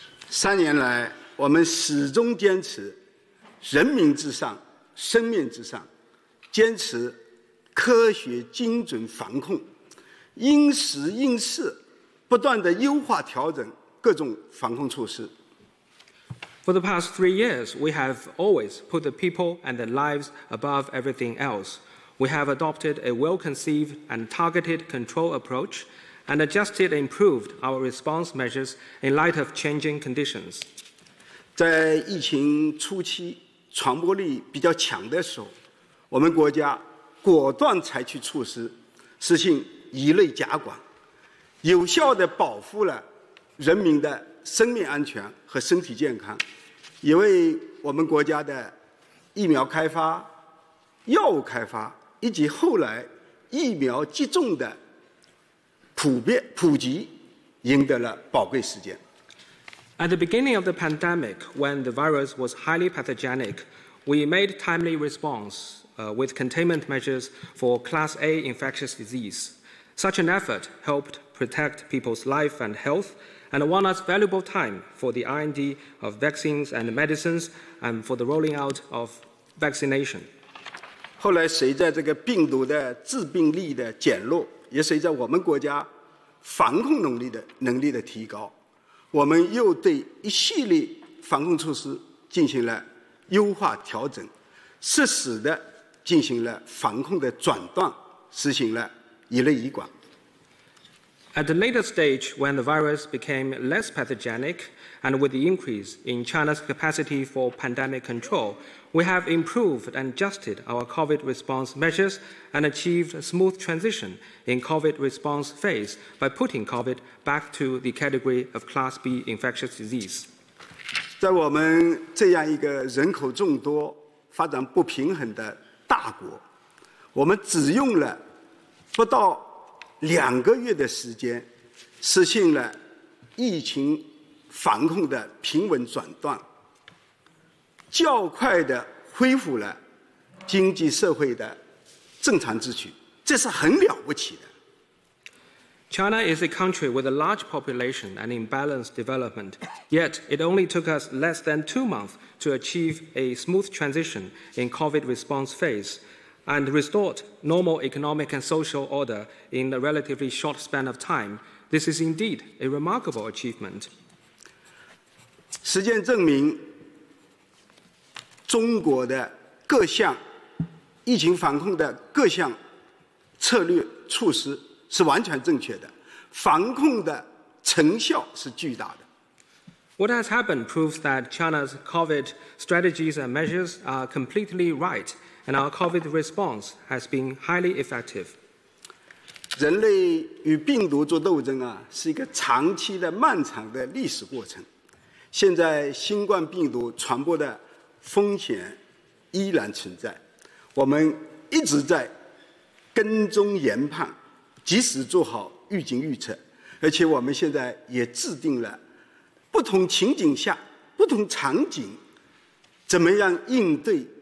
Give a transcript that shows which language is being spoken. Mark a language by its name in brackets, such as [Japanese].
[Chinese] 3年来，我们始终坚持人民至上、生命至上，坚持科学精准防控，因时因势不断地优化调整各种防控措施。 [English] For the past 3 years, we have always put the people and their lives above everything else. We have adopted a well-conceived and targeted control approach and adjusted and improved our response measures in light of changing conditions. [Chinese] 在疫情初期传播力比较强的时候，我们国家果断采取措施，实行一类加管，有效地保护了人民的生命安全和身体健康。也为我们国家的疫苗开发、药物开发以及后来疫苗接种的普及赢得了宝贵时间。 [English] At the beginning of the pandemic, when the virus was highly pathogenic, we made timely response with containment measures for Class A infectious disease. Such an effort helped protect people's life and health. And won us valuable time for the R&D of vaccines and medicines, and for the rolling out of vaccination. [Chinese] 后来随着这个病毒的致病力的减弱，也随着我们国家防控能力的提高，我们又对一系列防控措施进行了优化调整，适时的进行了防控的转段，实行了一类一管。 [English] At the later stage, when the virus became less pathogenic and with the increase in China's capacity for pandemic control, we have improved and adjusted our COVID response measures and achieved a smooth transition in COVID response phase by putting COVID back to the category of Class B infectious disease. [Chinese] 在我们这样一个人口众多、发展不平衡的大国，我们只用了不到两个月的时间，实现了疫情防控的平稳转段，较快地恢复了经济社会的正常秩序，这是很了不起的。 [English] China is a country with a large population and imbalanced development, yet it only took us less than 2 months to achieve a smooth transition in COVID response phase. And restored normal economic and social order in a relatively short span of time. This is indeed a remarkable achievement. [Chinese] 实践证明，中国的各项疫情防控的各项策略措施是完全正确的，防控的成效是巨大的。 [English] What has happened proves that China's COVID strategies and measures are completely right. And our COVID response has been highly effective. [Chinese] 人类与病毒做斗争啊，是一个长期的、漫长的历史过程。现在新冠病毒传播的风险依然存在，我们一直在跟踪研判，及时做好预警预测，而且我们现在也制定了不同情景下、不同场景怎么样应对。